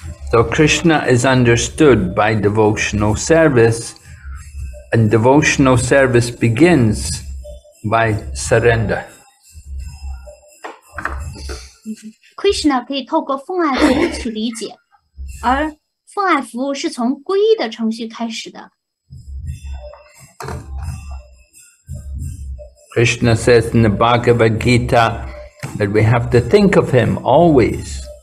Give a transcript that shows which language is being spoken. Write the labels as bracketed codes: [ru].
[en] So Krishna is understood by devotional service, and devotional service begins by surrender. [zh] Krishna 可以透过奉爱服务去理解, 而奉爱服务是从皈依的程序开始的。 [en] Krishna says in the Bhagavad Gita that we have to think of him always.